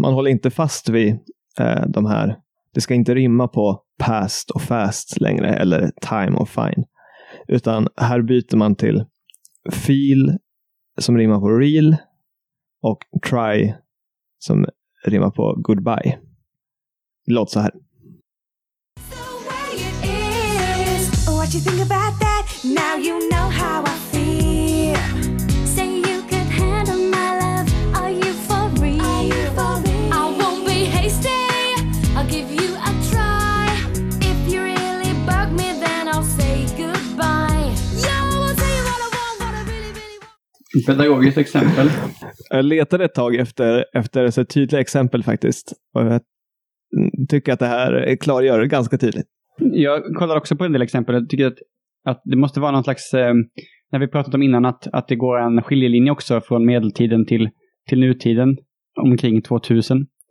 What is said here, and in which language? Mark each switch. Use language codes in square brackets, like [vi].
[sv] Man håller inte fast vid de här. Det ska inte rimma på past och fast längre, eller time och fine. Utan här byter man till feel, som rimmar på real, och try, som rimmar på goodbye. Låt så här. [en] What you think about that? Now you know how I feel. Say you could handle my love. Are you for real? I won't be hasty. I'll give you a try. If you really bug me, then I'll say goodbye. Yo, I'll tell you what I want, what I really, really want. [sv] Pedagogiskt exempel. Jag letade ett tag efter så tydliga exempel faktiskt. Och jag tycker att det här klargör det ganska tydligt. Jag kollar också på en del exempel. Jag tycker att det måste vara någon slags, när vi pratat om innan, att det går en skiljelinje också från medeltiden till nutiden, omkring 2000.